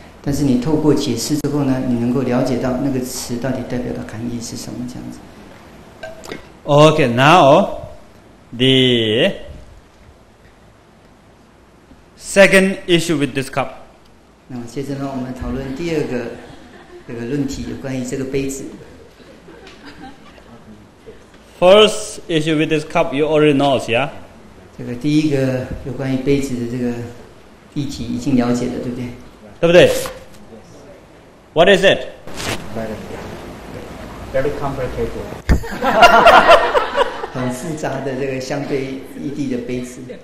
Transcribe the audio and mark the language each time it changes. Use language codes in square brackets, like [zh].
[zh] 但是你透过解释之后呢，你能够了解到那个词到底代表的含义是什么这样子。 [en] Okay, now The second issue with this cup. [zh] 那接着呢，我们讨论第二个这个论题，关于这个杯子。 [en] First issue with this cup, you already know, yeah? [zh] 这个第一个有关于杯子的这个议题已经了解了，对不对？对不对 ？ [en] What is it? Very complicated. [zh] 很复杂的这个相对异地的杯子。